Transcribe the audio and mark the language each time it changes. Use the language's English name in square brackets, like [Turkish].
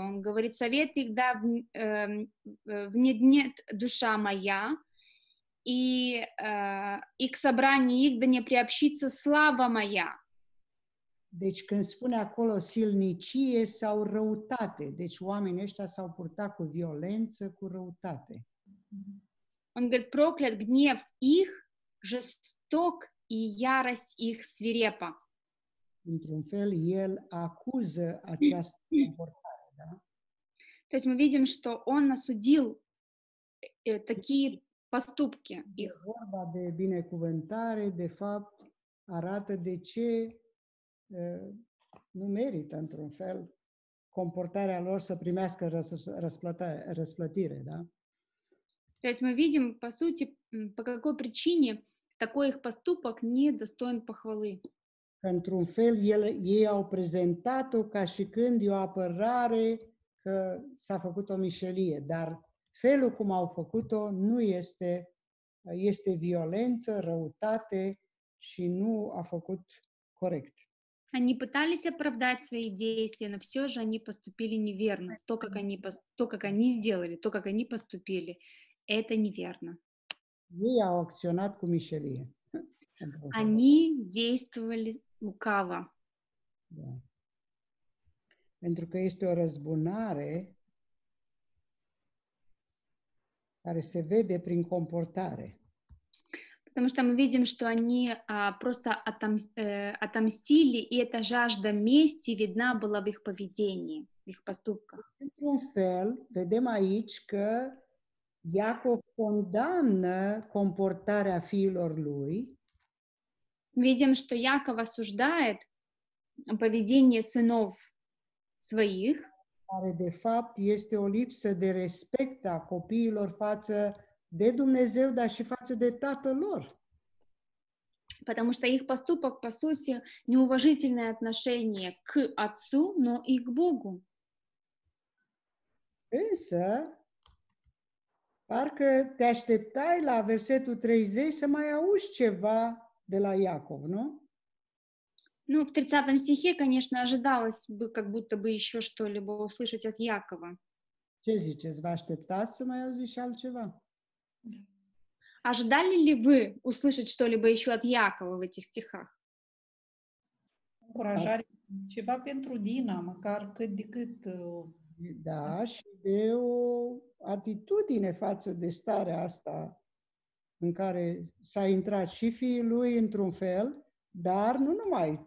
[Russian] Он говорит: совет их, да, внедрит душа моя, и к собранию их да не приобщится слава моя. [Romanian] Deci când spune acolo silnicie sau răutate, deci oamenii ăștia s-au purtat cu violență, cu răutate. [Russian] Он говорит: проклят гнев их, жесток и ярость их свирепа. [Romanian] Într-un fel, el acuză această comportare, da? [Russian] То есть мы видим, что он осудил такие поступки их. [Romanian] Vorba de binecuvântare, de fapt, arată de ce nu merită, într-un fel, comportarea lor să primească răsplătire, da? [Russian] То есть мы видим, по сути, по какой причине такой их поступок не достоин похвалы. [Romanian] Într-un fel, ei au prezentat-o ca și când e o apărare că s-a făcut o mișelie, dar felul cum au făcut-o nu este, este violență, răutate și nu a făcut corect. [Russian] Они пытались оправдать свои действия, но все же они поступили неверно. То, как они поступили, это неверно. [Romanian] Ei au acționat cu mișelie. [Russian] Они действовали лукаво. Да. [Romanian] Pentru că este o răzbunare care se vede prin comportare. [Russian] Потому что мы видим, что они просто отомстили, и эта жажда мести видна была в их поведении, в их поступках. [Romanian] Într-un fel, vedem aici că Iacov condamnă comportarea fiilor lui. [Russian] Видим, что Яков осуждает поведение сынов своих. [Romanian] Care de fapt este o lipsă de respect a copiilor față de Dumnezeu, dar și față de tatăl lor. [Russian] Потому что их поступок, по сути, неуважительное отношение к отцу, но и к Богу. [Romanian] Însă, parcă te așteptai la versetul 30 să mai auzi ceva de la Iacov, nu? [Russian] Ну, в 30 стихе, конечно, ожидалось бы, как будто бы еще что-либо услышать от Якова. [Romanian] Ce ziceți? Vă așteptați să mai auzi și altceva? [Russian] Ожидали ли вы услышать что-либо еще от Якова в этих стихах? [Romanian] Încurajare ceva pentru Dina, măcar cât de cât. Da, și de o atitudine față de starea asta în care s-a intrat și fiul lui într-un fel, dar nu numai.